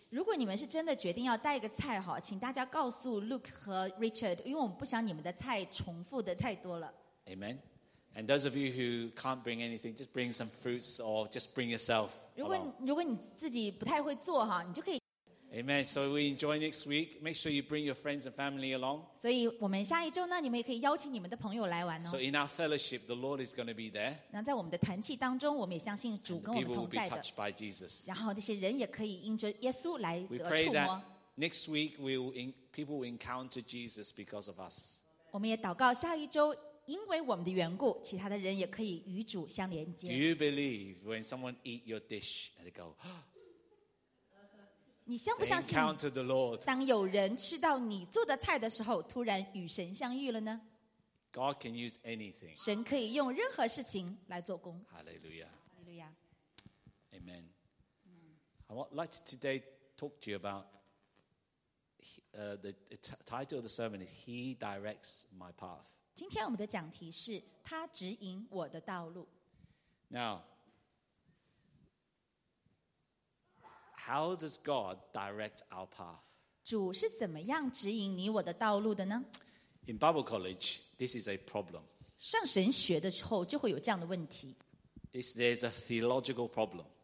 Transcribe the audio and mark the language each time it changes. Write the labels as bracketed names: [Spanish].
[Chinese] 如果你们是真的决定要带一个菜哈，请大家告诉 Luke 和 Richard, 因为我们不想你们的菜重复的太多了。 [English] Amen. And those of you who can't bring anything, just bring some fruits or just bring yourself. [Chinese] 如果你自己不太会做哈，你就可以。 [English] Amen. So we enjoy next week. Make sure you bring your friends and family along. [Chinese] 所以我们下一周呢，你们也可以邀请你们的朋友来玩哦。 [English] So in our fellowship, the Lord is going to be there. [Chinese] 那在我们的团契当中，我们也相信主跟我们同在的。 [English] People will be touched by Jesus. [Chinese] 然后那些人也可以因着耶稣来触摸。 [English] We pray that next week people will encounter Jesus because of us. [Chinese] 我们也祷告下一周。因为我们的缘故，其他的人也可以与主相连接。 [English] Do you believe when someone eat your dish and they go? [Chinese] 你相不相信 [English] encounter the Lord? [Chinese] 当有人吃到你做的菜的时候，突然与神相遇了呢 [English] ？God can use anything. [Chinese] 神可以用任何事情来做工。 [English] Hallelujah. Hallelujah. Amen. I would like to today talk to you about the title of the sermon is He directs my path. [Chinese] 今天我们的讲题是他指引我的道路。 [English] Now, how does God direct our path? [Chinese] 主是怎么样指引你我的道路的呢？ [English] In Bible college, this is a problem. [Chinese] 上神学的时候就会有这样的问题。 [English] There's a theological problem.